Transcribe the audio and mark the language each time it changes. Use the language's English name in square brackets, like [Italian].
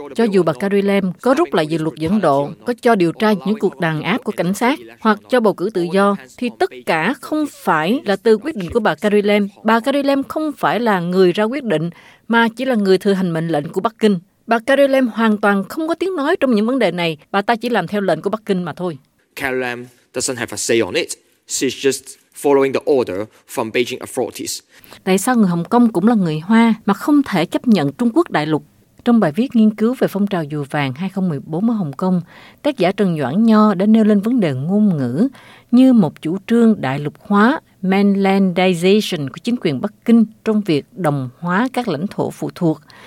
[Vietnamese] Cho dù bà Carrie Lam có rút lại dự luật dẫn độ, có cho điều tra những cuộc đàn áp của cảnh sát hoặc cho bầu cử tự do, thì tất cả không phải là từ quyết định của bà Carrie Lam. Bà Carrie Lam không phải là người ra quyết định, mà chỉ là người thừa hành mệnh lệnh của Bắc Kinh. Bà Carrie Lam hoàn toàn không có tiếng nói trong những vấn đề này. Bà ta chỉ làm theo lệnh của Bắc Kinh mà thôi. [English] Carrie Lam doesn't have a say on it. She's just following the order from Beijing authorities. [Vietnamese] Tại sao người Hồng Kông cũng là người Hoa mà không thể chấp nhận Trung Quốc đại lục? Trong bài viết nghiên cứu về phong trào Dùa Vàng 2014 ở Hồng Kông, tác giả Trần Doãn Nho đã nêu lên vấn đề ngôn ngữ như một chủ trương đại lục hóa, mainlandization của chính quyền Bắc Kinh trong việc đồng hóa các lãnh thổ phụ thuộc.